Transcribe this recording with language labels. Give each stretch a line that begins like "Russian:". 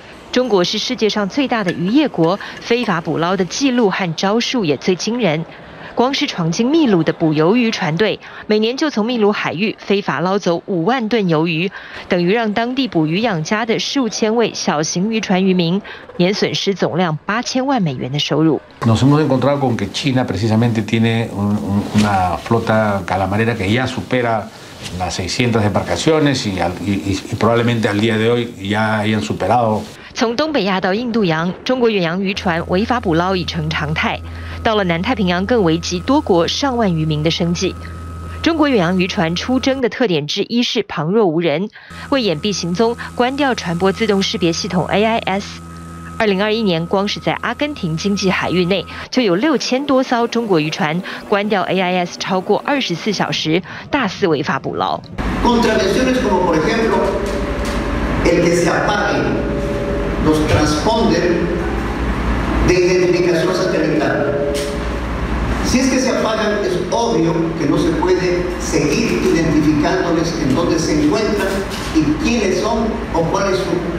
Chinese: 中国是世界上最大的渔业国，非法捕捞的记录和招数也最惊人。光是闯进秘鲁的捕鱿鱼船队，每年就从秘鲁海域非法捞走50000吨鱿鱼，等于让当地捕鱼养家的数千位小型渔船渔民年损失总量8000万美元的收入。
Spanish: Nos hemos encontrado con que China precisamente tiene una flota calamarera que ya supera las 600 embarcaciones y probablemente al día de hoy ya hayan superado。
Chinese: 从东北亚到印度洋，中国远洋渔船违法捕捞已成常态。到了南太平洋，更危及多国上万渔民的生计。中国远洋渔船出征的特点之一是旁若无人，为掩蔽行踪，关掉船舶自动识别系统 AIS。 2021年，光是在阿根廷经济海域内，就有6000多艘中国渔船关掉 AIS 超过24小时，大肆违法捕捞。
Spanish: Contradicciones como por ejemplo el que se apague los transponder de identificación satelital. Si es que se apagan, es obvio que no se puede seguir identificándoles en dónde se encuentran y quiénes son o cuáles son.